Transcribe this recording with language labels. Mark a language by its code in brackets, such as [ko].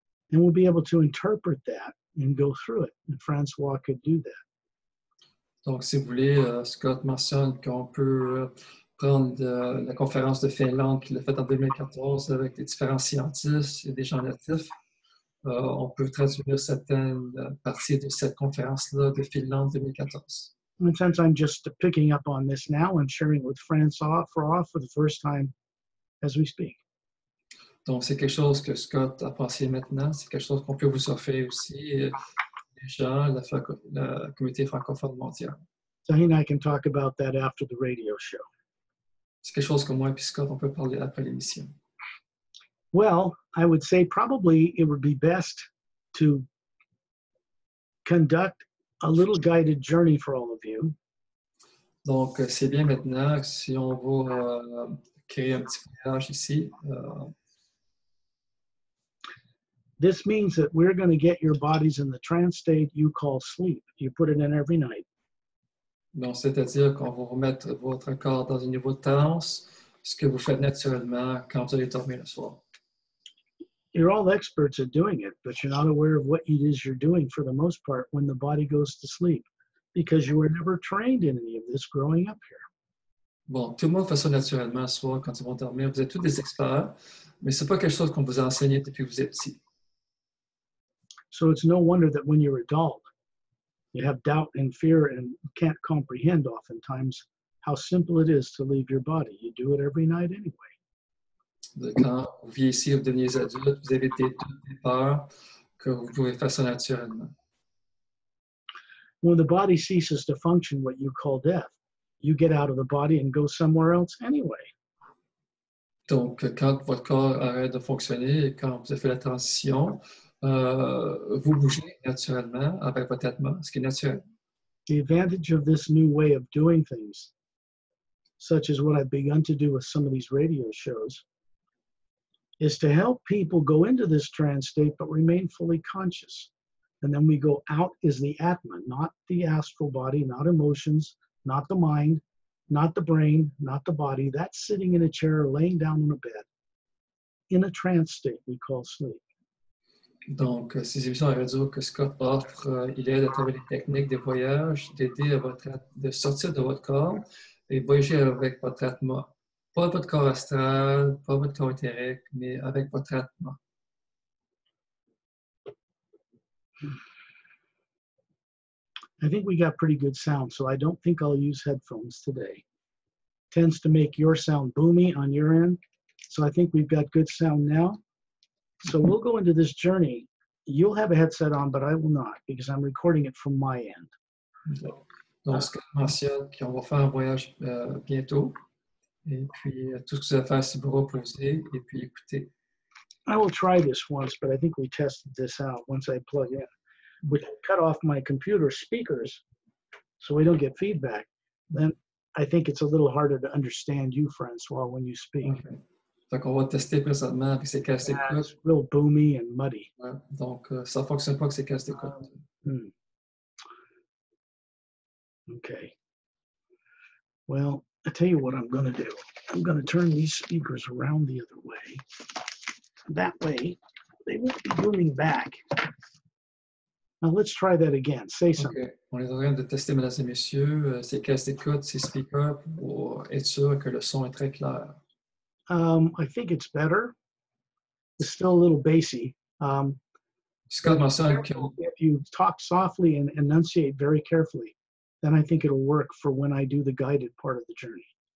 [en] And we'll be able to interpret that and go through it. And Francois could do that. [fr] Donc, si vous voulez, Scott mentionne qu'on peut prendre la conférence de Finlande qu'il a faite en 2014 avec des différents scientifiques et des gens natifs. On peut traduire certaines parties de cette conférence-là de Finlande 2014. [en] And since I'm just picking up on this now and sharing with Francois for the first time as we speak. [fr] Donc, c'est quelque chose que Scott a pensé maintenant. C'est quelque chose qu'on peut vous offrir aussi, déjà, la communauté francophone mondiale. [en] So he and I can talk about that after the radio show. [fr] C'est quelque chose que moi et Scott, on peut parler après l'émission. [en] Well, I would say probably it would be best to conduct a little guided journey for all of you. [fr] Donc, c'est bien maintenant si on va créer un petit voyage ici. [en] This means that we're going to get your bodies in the trance state you call sleep. You put it in every night. [fr] Donc, c'est-à-dire qu'on va remettre votre corps dans un niveau de transe, ce que vous faites naturellement quand vous allez dormir le soir. [en] You're all experts at doing it, but you're not aware of what it is you're doing for the most part when the body goes to sleep, because you were never trained in any of this growing up here. [fr] Bon, tout le monde fait ça naturellement le soir quand ils vont dormir. Vous êtes tous des experts, mais c'est pas quelque chose qu'on vous a enseigné depuis que vous êtes petit. [en] So it's no wonder that when you're adult, you have doubt and fear and can't comprehend oftentimes how simple it is to leave your body. You do it every night anyway. [fr] Quand vous vivez ici, vous deveniez adulte, vous avez des doutes et peurs que vous pouvez faire ça naturellement. [en] When the body ceases to function, what you call death, you get out of the body and go somewhere else anyway. [fr] Donc, quand votre corps arrête de fonctionner et quand vous avez fait la transition, vous bougez naturellement avec votre atma, ce qui est naturel. [en] The advantage of this new way of doing things, such as what I've begun to do with some of these radio shows, is to help people go into this trance state but remain fully conscious. And then we go out as the Atma, not the astral body, not emotions, not the mind, not the brain, not the body. That's sitting in a chair or laying down on a bed in a trance state we call sleep. [fr] Donc, ces émissions de radio que Scott offre, il aide à travers les techniques des voyages, d'aider à votre de sortir de votre corps et voyager avec votre Atma. Pas votre corps astral, pas votre corps éthérique, mais avec votre Atma. [en] I think we got pretty good sound, so I don't think I'll use headphones today. Tends to make your sound boomy on your end, so I think we've got good sound now. So we'll go into this journey. You'll have a headset on, but I will not, because I'm recording it from my end. [fr] Donc, Scott mentionne qu'on va faire un voyage bientôt. Et puis, tout ce que vous allez faire, c'est vous reposer et puis écouter. [en] I will try this once, but I think we tested this out once I plug in. We cut off my computer speakers so we don't get feedback. Then I think it's a little harder to understand you, Francois, when you speak. Okay. [fr] Donc, on va tester présentement avec ces casques d'écoute. [en] It's real boomy and muddy. [fr] Ouais, donc, ça ne fonctionne pas avec ces casques d'écoute. [en] Okay. Well, I tell you what I'm going to do. I'm going to turn these speakers around the other way. That way, they won't be booming back. Now, let's try that again. Say something. Okay. [fr] On est en train de tester, mesdames et messieurs, ces casques d'écoute, ces speakers, pour être sûr que le son est très clair. [en] I think it's better. It's still a little bassy. Scott Marcel, can... if you talk softly and enunciate very carefully, then I think it'll work for when I do the guided part of the journey.